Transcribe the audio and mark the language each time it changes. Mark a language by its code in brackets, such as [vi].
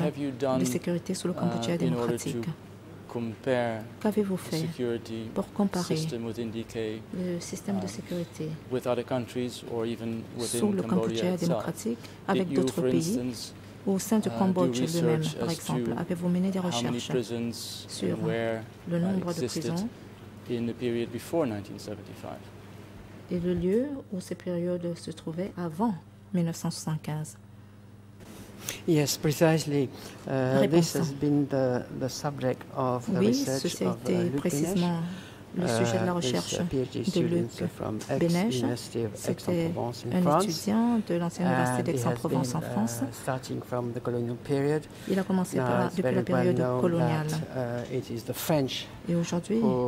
[en] the specific character of the DK security system. [fr] Qu'avez-vous fait pour comparer le système de sécurité [en] with other countries or even within [fr] sous le Cambodge démocratique avec d'autres pays ou au sein du Cambodge lui-même, par exemple? Avez-vous mené des recherches sur le nombre de prisons [en] in the period before 1975? [fr] Et le lieu où ces périodes se trouvaient avant 1975? [en] Yes, precisely. This has been the subject of the research [fr] ceci a été [en] of, [fr] précisément le sujet de la recherche de Luc Benesch. C'était un étudiant de l'ancienne université d'Aix-en-Provence en France. [en] Starting from the colonial period. [fr] Il a commencé depuis la période coloniale. [en] It is the French [fr] et aujourd'hui,